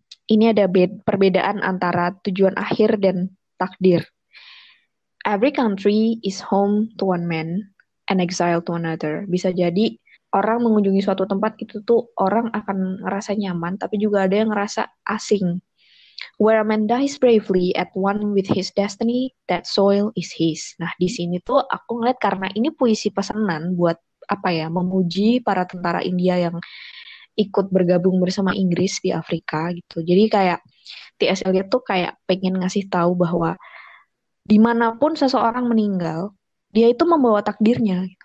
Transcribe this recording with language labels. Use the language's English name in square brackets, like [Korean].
[Indonesian] Ini ada perbedaan antara tujuan akhir dan takdir. [English] Every country is home to one man and exile to another. [Indonesian] Bisa jadi orang mengunjungi suatu tempat itu tuh orang akan ngerasa nyaman, tapi juga ada yang ngerasa asing. [English] Where a man dies bravely at one with his destiny, that soil is his. [Indonesian] Nah, di sini tuh aku ngeliat karena ini puisi pesanan buat apa ya, memuji para tentara India yang ikut bergabung bersama Inggris di Afrika gitu. Jadi kayak T.S. Eliot tuh kayak pengen ngasih tahu bahwa dimanapun seseorang meninggal, dia itu membawa takdirnya.